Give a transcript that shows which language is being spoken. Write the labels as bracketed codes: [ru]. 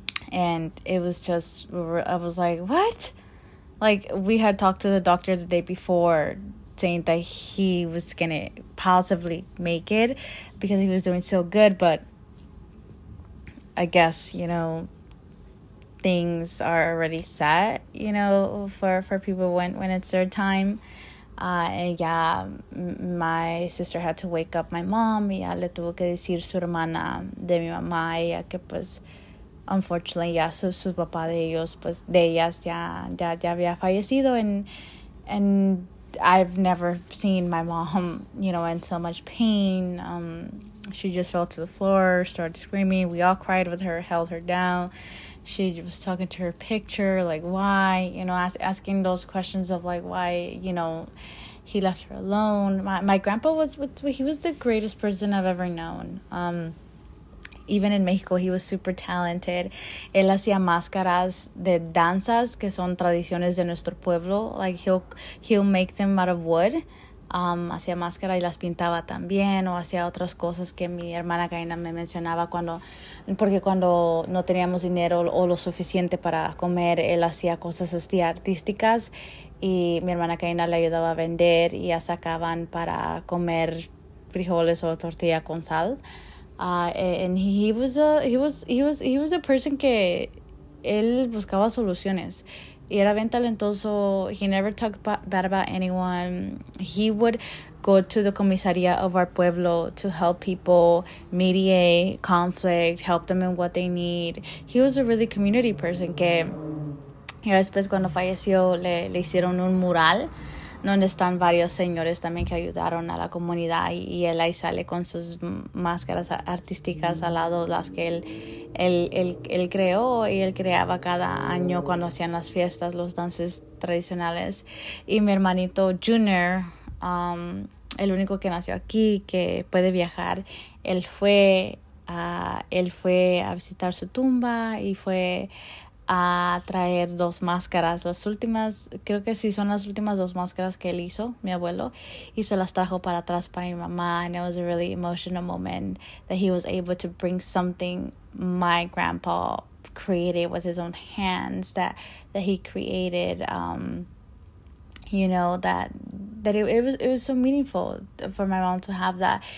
[en] And it was just, I was like, what? Like, we had talked to the doctor the day before saying that he was gonna possibly make it because he was doing so good, but I guess, you know, things are already set, you know, for people when it's their time. My sister had to wake up my mom. [es] Y ya le tuvo que decir su hermana de mi mamá, ella que pues [en] unfortunately, yeah, [es] su papá de ellos, pues, de ellas ya había fallecido, [en] and I've never seen my mom, you know, in so much pain. She just fell to the floor, started screaming. We all cried with her, held her down. She was talking to her picture, like, why, you know, asking those questions of, like, why, you know, he left her alone. My grandpa was the greatest person I've ever known. Even in Mexico, he was super talented. [es] Él hacía máscaras de danzas, que son tradiciones de nuestro pueblo. [en] Like, he'll make them out of wood. [es] Hacía máscara y las pintaba también, o hacía otras cosas que mi hermana Karina me mencionaba cuando no teníamos dinero o lo suficiente para comer, él hacía cosas así artísticas y mi hermana Karina le ayudaba a vender y ya sacaban para comer frijoles o tortilla con sal. [en] And he was a person [es] que él buscaba soluciones. Y era bien talentoso. [en] He never talked bad about anyone. He would go to the comisaría of our pueblo to help people, mediate conflict, help them in what they need. He was a really community person. [es] Que ya después cuando falleció le hicieron un mural donde están varios señores también que ayudaron a la comunidad, y él ahí sale con sus máscaras artísticas al lado, las que él creó y él creaba cada año cuando hacían las fiestas, los danzas tradicionales. Y mi hermanito Junior, el único que nació aquí, que puede viajar, él fue a visitar su tumba y fue a traer dos máscaras, las últimas, creo que sí, son las últimas dos máscaras que él hizo, mi abuelo, y se las trajo para atrás para mi mamá. [en] And it was a really emotional moment that he was able to bring something my grandpa created with his own hands that he created, you know, that it was so meaningful for my mom to have that.